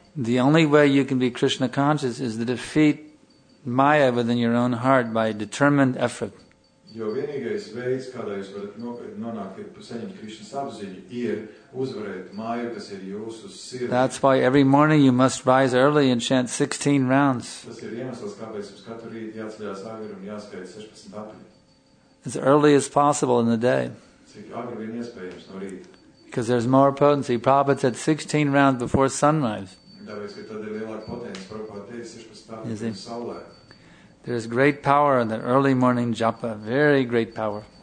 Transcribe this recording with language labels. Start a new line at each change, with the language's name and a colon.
English: The only way you can be Krishna conscious is to defeat Maya within your own heart by determined effort.
Latvian: Jo vienīgais veids, kādā jūs varat nonākt pie saņemt Krišnas apziņu, ir uzvarēt māju, kas ir jūsu sirdī.
English: That's why every morning you must rise early and chant 16 rounds.
Latvian: Tas ir iemesls, kāpēc jums katru rītu jāatceļas agri un jāskaita 16 apmaiņas.
English: As early as possible in the day.
Latvian: Cik agri vien iespējams no rīta.
English: Because there's more potency. Prabhupada said 16 rounds before sunrise.
Latvian: Tāpēc, ka tad ir lielāka potence, Prabhupada teica 16 apmaiņas pirms saulē.
English: There is great power in the early morning japa, very great power.